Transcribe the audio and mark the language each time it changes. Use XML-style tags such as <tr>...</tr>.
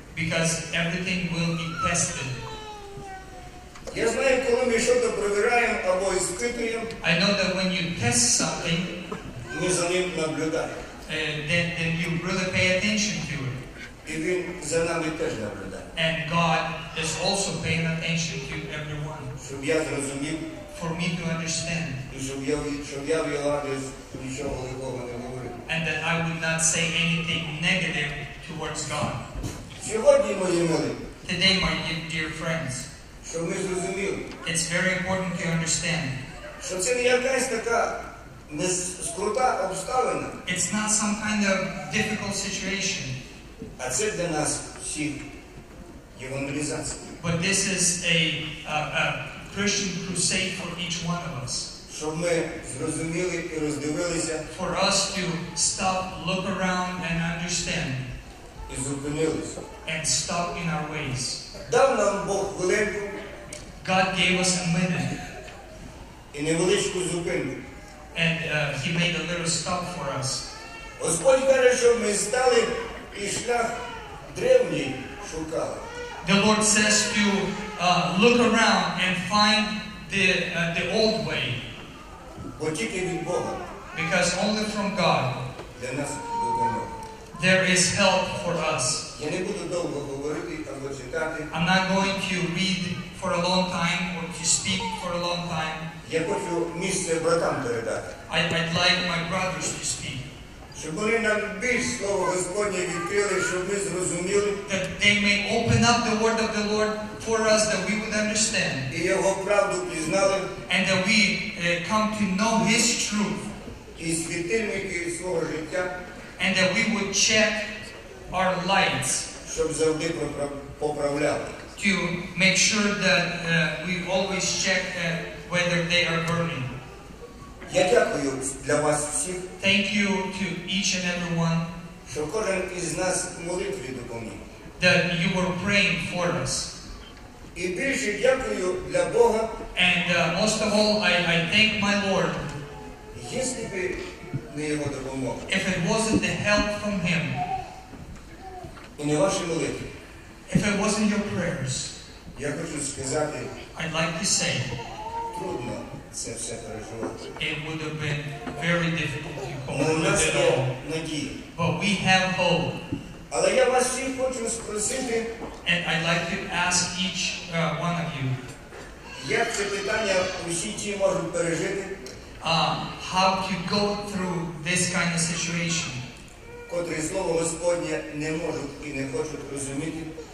<en>Because everything will be tested.</en> <uk>Я знаю, коли ми щось провіряємо або іспитуємо.</uk> <en>I know that when you test something,</en> <uk>ми за ним наблюдаємо.</uk> <en>Then you really pay attention to it.</en> <uk>І він за нами теж наблюдає.</uk> <en>And God is also paying attention to everyone.</en> <uk>Щоб я зрозумів.</uk> <en>For me to understand.</en> <uk>І щоб я в його адрес нічого лихого не говорив.</uk> <en>And that I would not say anything negative towards God.</en> <uk>Сьогодні, мої милі.</uk> <en>Today, my dear friends.</en> <uk>Щоб ми зрозуміли.</uk> <en>It's very important to understand.</en> <uk>Що це не якась така не скрута обставина.</uk> <en>It's not some kind of difficult situation.</en> <uk>А це для нас всіх євангелізація.</uk> <en>But this is a Christian crusade for each one of us.</en> <uk>Щоб ми зрозуміли і роздивилися.</uk> <en>For us to stop, look around and understand.</en> <uk>І зупинилися.</uk> <en>And stop in our ways.</en> <uk>Дав нам Бог хвилинку.</uk> <en>God gave us a minute.</en> <uk>І невеличку зупинку.</uk> <en>And he made a little stop for us.</en> <uk>Господь каже, що ми стали і шлях древній шукали.</uk> <en>The Lord says to look around and find the old way.</en> <uk>Бо тільки від Бога.</uk> <en>Because only from God.</en> <uk>Для нас допомога.</uk> <en>That there is help for us.</en> <uk>Я не буду довго говорити або читати.</uk> <en>I'm not going to read for a long time or to speak for a long time.</en> <uk>Я хочу місце братам передати.</uk> <en>I'd like my brothers to speak.</en> <uk>Щоб вони нам більш слово Господнє відкрили, щоб ми зрозуміли.</uk> <en>That they may open up the word of the Lord for us, that we would understand.</en> <uk>І його правду пізнали.</uk> <en>And that we come to know his truth.</en> <uk>І світильники свого життя.</uk> <en>And that we would check our lights.</en> <uk>Щоб завжди поправляли.</uk> <en>To make sure that we always check whether they are burning.</en> <uk>Я дякую для вас всіх.</uk> <en>Thank you to each and every one.</en> <uk>Що кожен із нас молитві допоміг.</uk> <en>That you were praying for us.</en> <uk>І більше дякую для Бога.</uk> <en>And most of all, I thank my Lord.</en> <uk>Якби б не його допомога.</uk> <en>If it wasn't the help from him.</en> <uk>І не ваші молитви.</uk> <en>If it wasn't your prayers.</en> <uk>Я хочу сказати.</uk> <en>I'd like to say.</en> <uk>Трудно. Це все переживати.</uk> <en>It would have been very difficult to cope with it all.</en> <uk>Надії.</uk> <en>But we have hope.</en> <uk>Але я вас всіх хочу спросити.</uk> <en>And I'd like to ask each one of you.</en> <uk>Як це питання усі ті можуть пережити?</uk> <en>How to go through this kind of situation?</en> <uk>Котрі слово Господнє не можуть і не хочуть розуміти.</uk>